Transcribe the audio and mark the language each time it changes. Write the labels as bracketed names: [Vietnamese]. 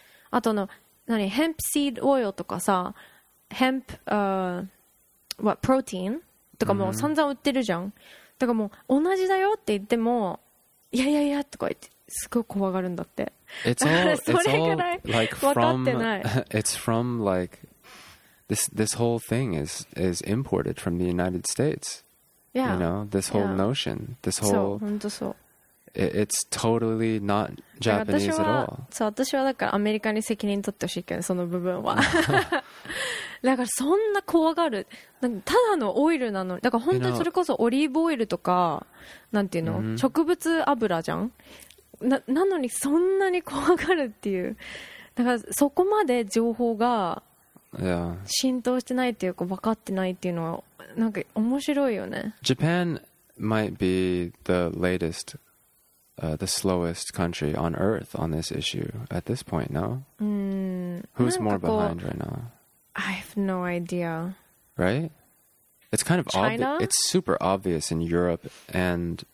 [Japanese] あとの何、ヘンプシードオイルとかさ、ヘンプ、プロテインとかも散々売ってるじゃん、うん、だからもう同じだよって言っても、いやいやいやとか言ってすごい怖がるんだって。 [English] It's all, [Japanese] それぐらい [English] like [Japanese] 分かってない。 [English] It's from like this whole thing is imported from the United States。 Yeah. You know, this whole yeah. notion, this whole... [Japanese] そう、本当そう。 [English] It's totally not Japanese at all. [Japanese] そう、私はだからアメリカに責任取ってほしいけど、その部分は。だからそんな怖がる。なんかただのオイルなのに。だから本当にそれこそオリーブオイルとか、なんていうの、mm-hmm. 植物油じゃん。なのにそんなに怖がるっていう。だからそこまで情報が浸透してないっていうか、分かってないっていうのは、なんか面白いよね。 [English] Japan might be the latest、the slowest country on earth on this issue at this point, no? Who's more behind right now? I have no idea. Right? It's kind of China? It's super obvious in Europe and